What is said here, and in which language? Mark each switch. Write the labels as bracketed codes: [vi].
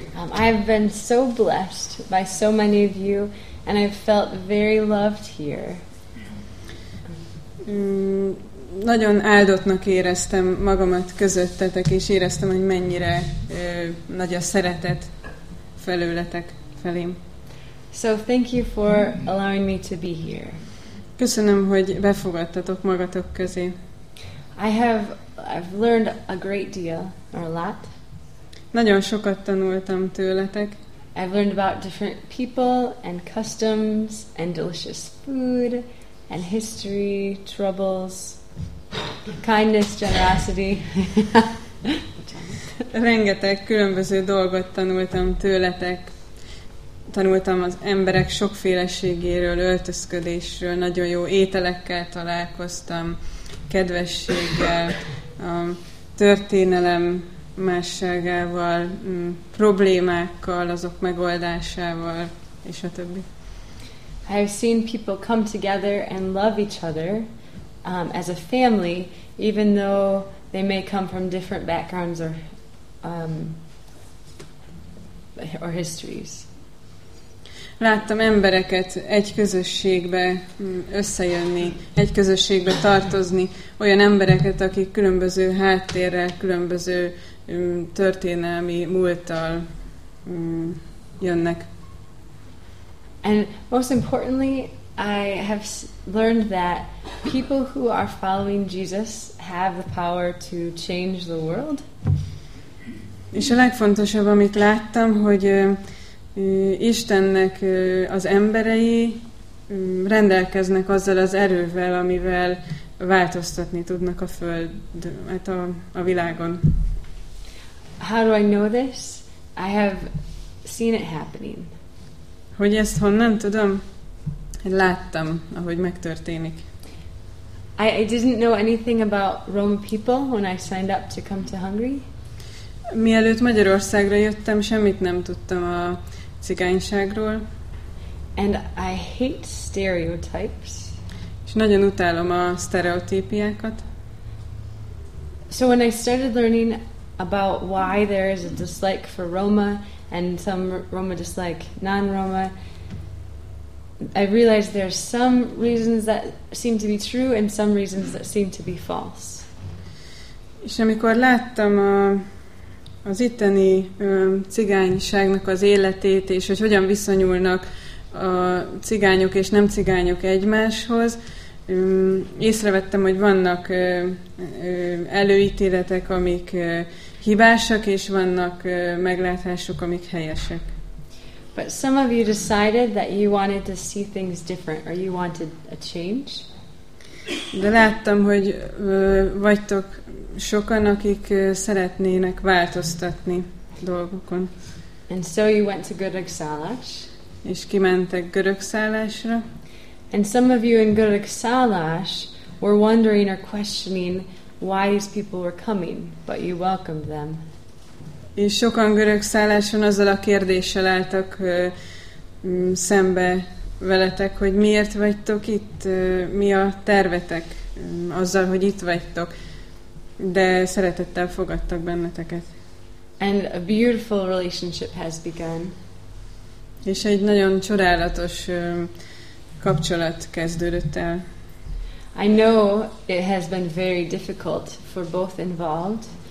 [en] I've been so blessed by so many of you, and I've felt very loved here. [hu] Nagyon áldottnak éreztem magamat közöttetek, és éreztem, hogy mennyire nagy a szeretet felőletek felém. [en] So thank you for allowing me to be here. [hu] Köszönöm, hogy befogadtatok magatok közé. [en] I've learned a great deal, or a lot. [hu] Nagyon sokat tanultam tőletek. [en] I've learned about different people and customs and delicious food and history, troubles, kindness, generosity. [hu] Rengeteg különböző dolgot tanultam tőletek. Tanultam az emberek sokféleségéről, öltözködésről, nagyon jó ételekkel találkoztam, kedvességgel, a történelem másságával, problémákkal, azok megoldásával, és a többi. [en] I've seen people come together and love each other as a family, even though they may come from different backgrounds or histories. [hu] Láttam embereket egy közösségbe összejönni, egy közösségbe tartozni, olyan embereket, akik különböző háttérrel, különböző történelmi múlttal jönnek. [en] And most importantly, I have learned that people who are following Jesus have the power to change the world. [hu] És a legfontosabb, amit láttam, hogy Istennek az emberei rendelkeznek azzal az erővel, amivel változtatni tudnak a föld, hát a világon. [en] How do I know this? I have seen it happening. [hu] Hogy ezt honnan tudom? Láttam, ahogy megtörténik. [en] I didn't know anything about Roma people when I signed up to come to Hungary. [hu] Mielőtt Magyarországra jöttem, semmit nem tudtam a cigányságról. [en] And I hate stereotypes. [hu] És nagyon utálom a sztereotípiákat. [en] So when I started learning about why there is a dislike for Roma and some Roma dislike non-Roma, I realized there are some reasons that seem to be true and some reasons that seem to be false. [hu] És amikor láttam az itteni cigányságnak az életét, és hogy hogyan viszonyulnak a cigányok és nem cigányok egymáshoz, észrevettem, hogy vannak előítéletek, amik hibásak, és vannak meglátások, amik helyesek. [en] But some of you decided that you wanted to see things different, or you wanted a change. [hu] De láttam, hogy vagytok sokan, akik szeretnének változtatni dolgokon. [en] And so you went to Görögszállás. [hu] És kimentek Görögszállásra. [en] And some of you in Görögszállás were wondering or questioning why these people were coming, but you welcomed them. [hu] És sokan Görögszálláson azzal a kérdéssel álltak szembe veletek, hogy miért vagytok itt, mi a tervetek azzal, hogy itt vagytok, de szeretettel fogadtak benneteket. [en] And a beautiful relationship has begun. [hu] És egy nagyon csodálatos kapcsolat kezdődött el. [en] I know it has been very difficult for both involved.